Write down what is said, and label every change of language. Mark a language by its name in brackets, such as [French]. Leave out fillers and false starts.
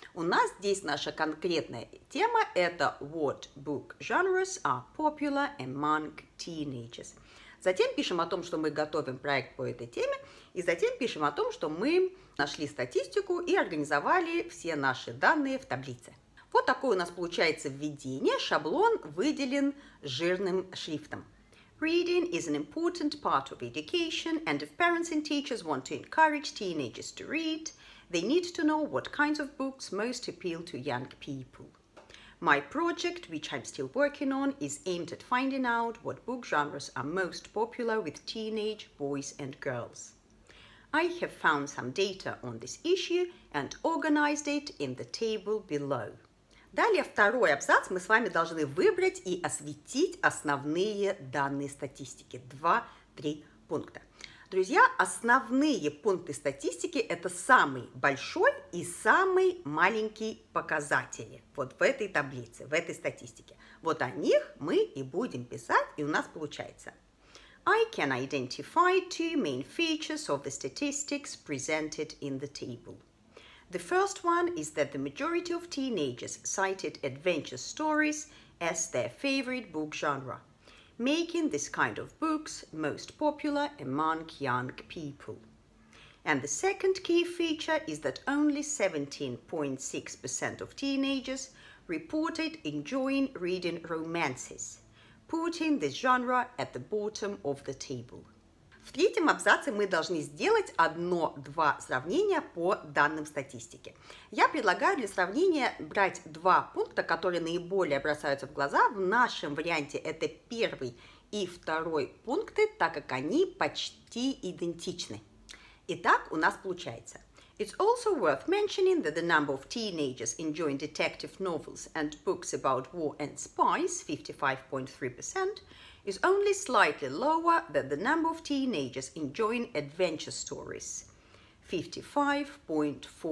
[Russian] У нас здесь наша конкретная тема – это [English] «What book genres are popular among teenagers?». [Russian] Затем пишем о том, что мы готовим проект по этой теме, и затем пишем о том, что мы нашли статистику и организовали все наши данные в таблице. Вот такое у нас получается введение. Шаблон выделен жирным шрифтом. [English] Reading is an important part of education, and if parents and teachers want to encourage teenagers to read, they need to know what kinds of books most appeal to young people. My project, which I'm still working on, is aimed at finding out what book genres are most popular with teenage boys and girls. I have found some data on this issue and organized it in the table below. [Russian] Далее второй абзац мы с вами должны выбрать и осветить основные данные статистики. 2-3 пункта. Друзья, основные пункты статистики – это самый большой и самый маленький показатели вот в этой таблице, в этой статистике. Вот о них мы и будем писать, и у нас получается. [English] I can identify two main features of the statistics presented in the table. The first one is that the majority of teenagers cited adventure stories as their favorite book genre, making this kind of books most popular among young people. And the second key feature is that only 17.6% of teenagers reported enjoying reading romances, putting this genre at the bottom of the table. [Russian] В третьем абзаце мы должны сделать одно-два сравнения по данным статистики. Я предлагаю для сравнения брать два пункта, которые наиболее бросаются в глаза. В нашем варианте это первый и второй пункты, так как они почти идентичны. Итак, у нас получается. [English] It's also worth mentioning that the number of teenagers enjoying detective novels and books about war and spies, 55.3%, is only slightly lower than the number of teenagers enjoying adventure stories, 55.4%.